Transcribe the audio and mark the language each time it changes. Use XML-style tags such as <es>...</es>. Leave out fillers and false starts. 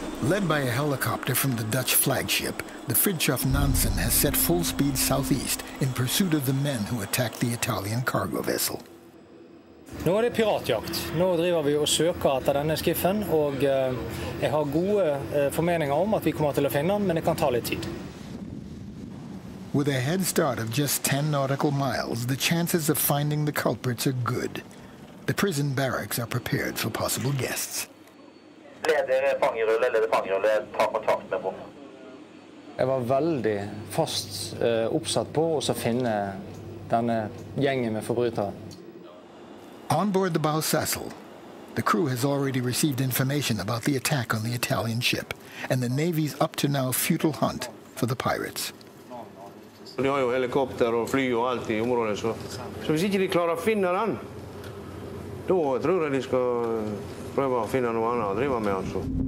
<en>Led by a helicopter from the Dutch flagship, the Fridtjof Nansen has set full speed southeast in pursuit of the men who attacked the Italian cargo vessel.</en> <sv>Nu är det piratjakt. Nu driver vi och söker efter denna skiffen och jag har goda förmeningar om att vi kommer att finna den, men det kan ta lite tid.</sv> <en>With a head start of just 10 nautical miles, the chances of finding the culprits are good. The prison barracks are prepared for possible guests.</en> <no>Jeg var veldig fast oppsatt på å finne denne gjengen med forbrytere.</no> <en>On board the Bow Cecil, the crew has already received information about the attack on the Italian ship and the Navy's up to now futile hunt for the pirates.</en> <no>Vi har jo helikopter og fly og alt I området, så hvis ikke de klarer å finne den, da tror jeg de skal prøve å finne noe annet å drive med, altså.</no>